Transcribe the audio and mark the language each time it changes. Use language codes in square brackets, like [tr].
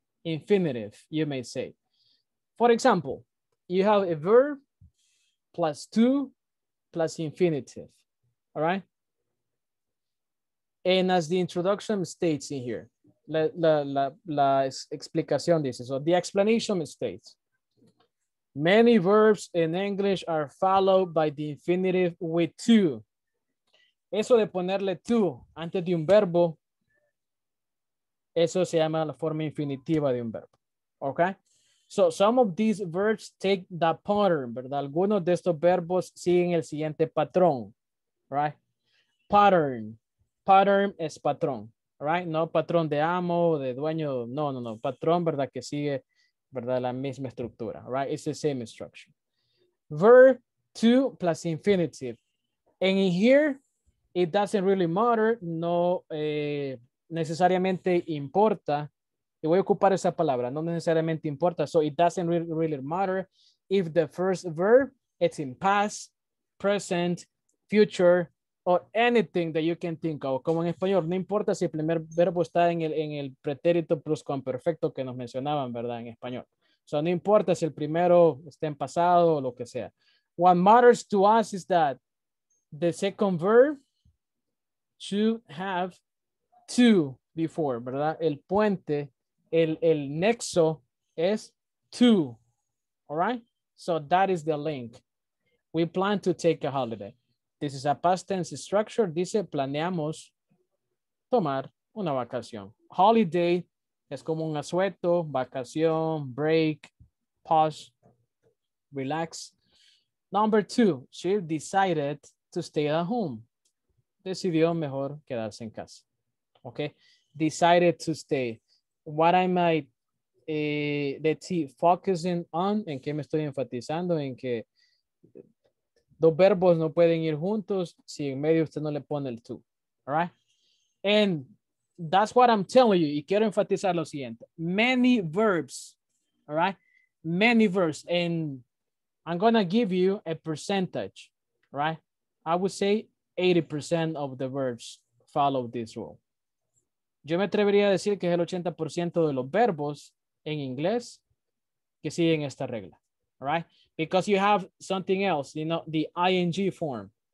[en] Infinitive, you may say. For example, you have a verb plus to plus infinitive, all right? And as the introduction states in here, [es] la explicación dice, [en] so the explanation states, many verbs in English are followed by the infinitive with to. [es] Eso de ponerle to antes de un verbo, eso se llama la forma infinitiva de un verbo, okay? [en] So some of these verbs take that pattern, [es] ¿verdad? Algunos de estos verbos siguen el siguiente patrón, [en] right? [es] Pattern es patrón, [en] right? [es] No patrón de amo, de dueño, no, patrón, ¿verdad? Que sigue, ¿verdad? La misma estructura, [en] right? It's the same instruction. Verb to plus infinitive. And in here, it doesn't really matter, [es] no, necesariamente importa, y voy a ocupar esa palabra, no necesariamente importa, [en] so it doesn't really matter if the first verb it's in past, present, future, or anything that you can think of. [es] Como en español, no importa si el primer verbo está en el pretérito plus con perfecto que nos mencionaban, ¿verdad? En español. So no importa si el primero está en pasado o lo que sea. [en] What matters to us is that the second verb should have to before, [es] ¿verdad? El puente, el nexo es to, [en] all right? So that is the link. We plan to take a holiday. This is a past tense structure. [es] Dice, planeamos tomar una vacación. Holiday es como un asueto, vacación, [en] break, pause, relax. Number two, she decided to stay at home. [es] Decidió mejor quedarse en casa. [en] Okay, decided to stay. What am I, let's see, focusing on, [es] en qué me estoy enfatizando, en que dos verbos no pueden ir juntos si en medio usted no le pone el to, [en] all right? And that's what I'm telling you, [es] y quiero enfatizar lo siguiente, [en] many verbs, all right? Many verbs, and I'm gonna give you a percentage, right? I would say 80% of the verbs follow this rule. [es] Yo me atrevería a decir que es el 80% de los verbos en inglés que siguen esta regla, [en] right? Because you have something else, you know, the ing form.